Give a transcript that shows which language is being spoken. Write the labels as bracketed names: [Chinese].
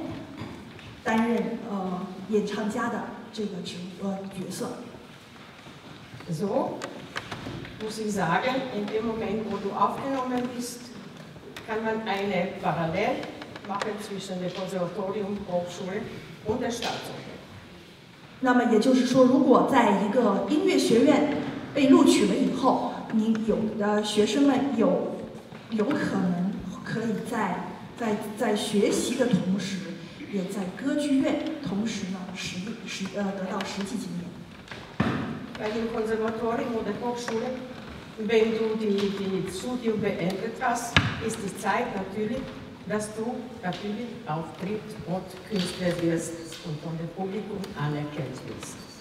[Chinese] 所以我之后呢就一直在维也纳歌剧院担任演唱家的。这个角色。 [German] So, muss ich sagen, in dem Moment, wo du aufgenommen bist, kann man eine Parallel machen zwischen dem Konservatorium, Hochschule und der Staatsoper. [Chinese] 那么也就是说，如果在一个音乐学院被录取了以后，你有的学生们有可能可以在学习的同时。也在歌剧院同时呢，实得到实际经验。 [German] Bei dem Konservatorium oder Hochschule, wenn du die Studium beendet hast, ist die Zeit natürlich, dass du natürlich auftritt und Künstler wirst und von dem Publikum anerkannt wirst.